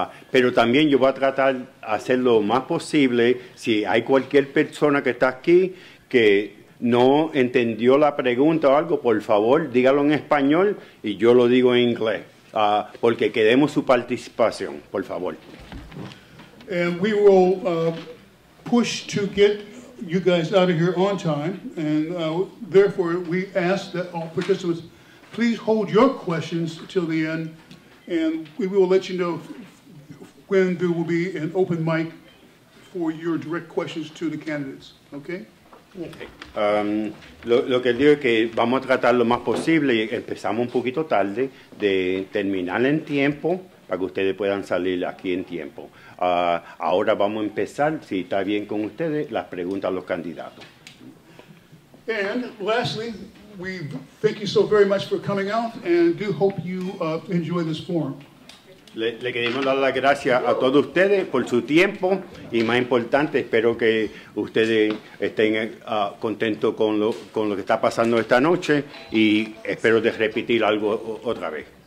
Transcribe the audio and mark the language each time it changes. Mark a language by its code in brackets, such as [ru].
[es] Pero también yo voy a tratar de hacer lo más posible si hay cualquier persona que está aquí que no entendió la pregunta o algo, por favor, dígalo en español y yo lo digo en inglés, porque queremos su participación, por favor. [en] And we will push to get you guys out of here on time, and therefore we ask that all participants please hold your questions till the end, and we will let you know when there will be an open mic for your direct questions to the candidates, okay? Okay. [es] Lo que digo es que vamos a tratar lo más posible, empezamos un poquito tarde, de terminar en tiempo para que ustedes puedan salir aquí en tiempo. Ahora vamos a empezar, si está bien con ustedes, las preguntas a los candidatos. [en] And lastly, we thank you so very much for coming out and do hope you enjoy this forum. [es] Le queremos dar las gracias a todos ustedes por su tiempo y más importante, espero que ustedes estén contentos con lo que está pasando esta noche y espero de repetir algo otra vez.